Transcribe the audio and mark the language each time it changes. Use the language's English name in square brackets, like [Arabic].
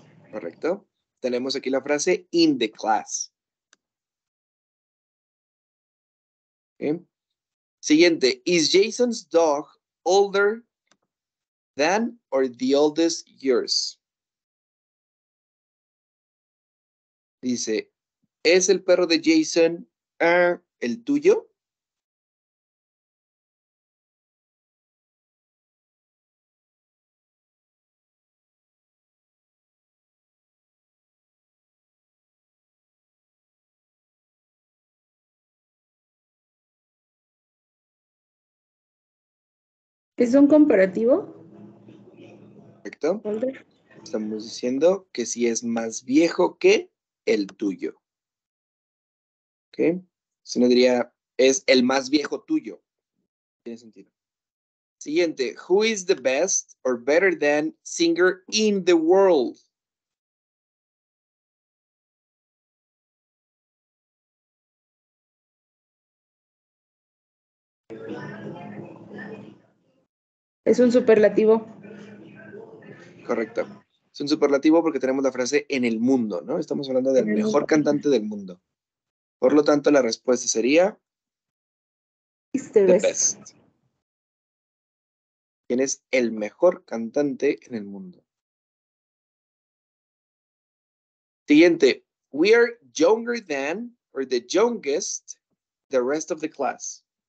[Spanish] Correcto. Tenemos aquí la frase [English] in the class. [Spanish] ¿Okay? Siguiente. [English] Is Jason's dog older than or the oldest yours? [Spanish] Dice, ¿es el perro de Jason el tuyo? ¿Es un comparativo? Perfecto. Older. Estamos diciendo que si es más viejo que el tuyo. ¿Ok? Si no diría, es el más viejo tuyo. Tiene sentido. Siguiente. [English] Who is the best or better than singer in the world? [Spanish] Es un superlativo. Correcto. Es un superlativo porque tenemos la frase en el mundo, ¿no? Estamos hablando del mejor cantante del mundo. Por lo tanto, la respuesta sería... [English] The best. [Spanish] ¿Quién es el mejor cantante en el mundo? Siguiente. [English] We are younger than, or the youngest, the rest of the class.